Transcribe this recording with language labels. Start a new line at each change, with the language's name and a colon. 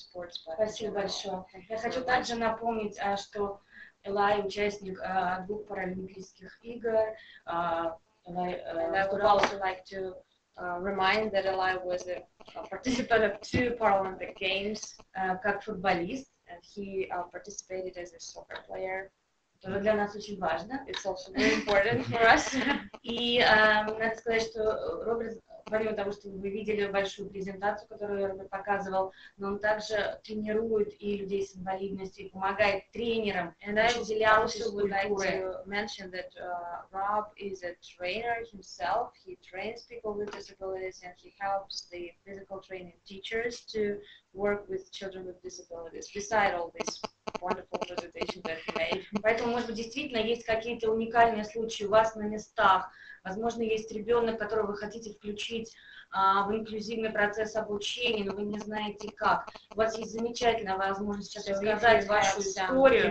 Russian: Спасибо большое. Я хочу также напомнить, что Элай участник двух паралимпийских игр.
English: I would also like to remind that Eli was a participant of two Paralympic Games.
Russian: Как футболист.
English: He participated as a soccer player.
Russian: Это для нас очень важно.
English: It's also very important for us.
Russian: И надо сказать, что Роберт, помимо того, что вы видели большую презентацию, которую Роберт показывал, но он также тренирует и людей с инвалидностью, и помогает тренерам.
English: And I also would like to mention that Rob is a trainer himself. He trains people with disabilities and he helps the physical training teachers to work with children with disabilities. Besides all this wonderful presentation that he made.
Russian: Поэтому, может быть, действительно есть какие-то уникальные случаи у вас на местах. Возможно, есть ребенок, которого вы хотите включить в инклюзивный процесс обучения, но вы не знаете как. У вас есть замечательная возможность сейчас рассказать вашу историю.